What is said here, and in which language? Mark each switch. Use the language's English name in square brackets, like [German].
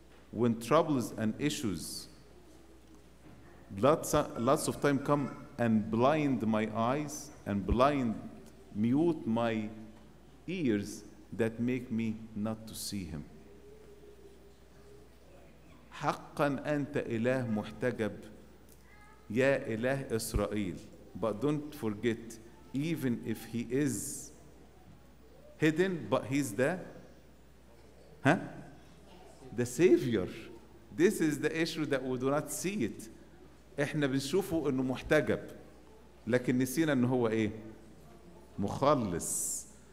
[English] When troubles and issues lots of time come and blind my eyes and blind, mute my ears, that make me not to see him. [Arabic] حقاً أنت إله محتجب يا إله إسرائيل. [English] But don't forget, even if he is hidden, but he's the, the Savior. This is the issue that we do not see it. [Arabic] احنا بنشوفه انه محتجب لكن نسينا انه هو ايه؟ مخلص.